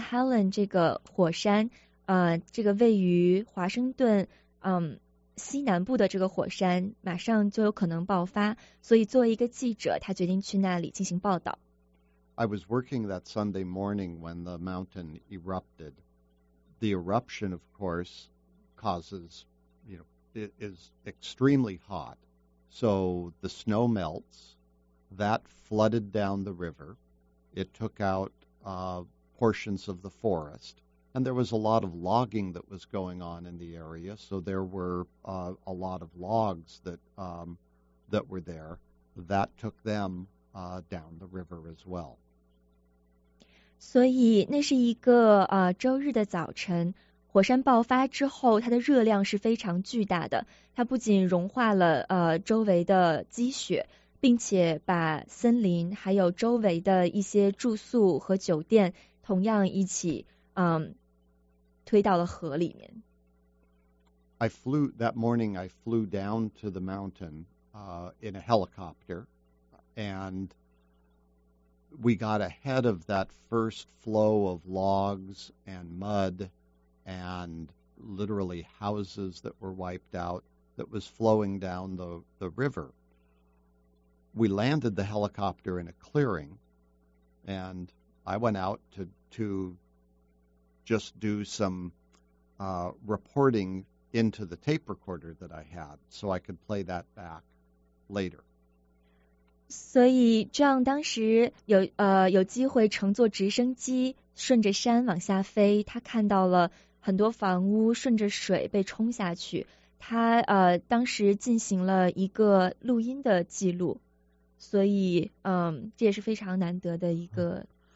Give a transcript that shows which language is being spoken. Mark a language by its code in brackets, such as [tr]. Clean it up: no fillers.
[zh] Helens 这个火山，这个位于华盛顿西南部的这个火山马上就有可能爆发，所以作为一个记者他决定去那里进行报道。 [en] I was working that Sunday morning when the mountain erupted. The eruption of course causes, you knowIt is extremely hot, so the snow melts. That flooded down the river. It took out portions of the forest, and there was a lot of logging that was going on in the area, so there were a lot of logs that, that were there. That took them down the river as well. [zh] 所以那是一个周日的早晨。火山爆发之后，它的热量是非常巨大的。它不仅融化了周围的积雪，并且把森林还有周围的一些住宿和酒店同样一起推到了河里面。 [en] I flew that morning. I flew down to the mountain in a helicopter, and we got ahead of that first flow of logs and mud. And literally houses that were wiped out that was flowing down the river. We landed the helicopter in a clearing, and I went out to just do some reporting into the tape recorder that I had so I could play that back later. [zh] 所以John当时有机会乘坐直升机顺着山往下飞，他看到了很多房屋顺着水被冲下去，他当时进行了一个录音的记录，所以这也是非常难得的一个。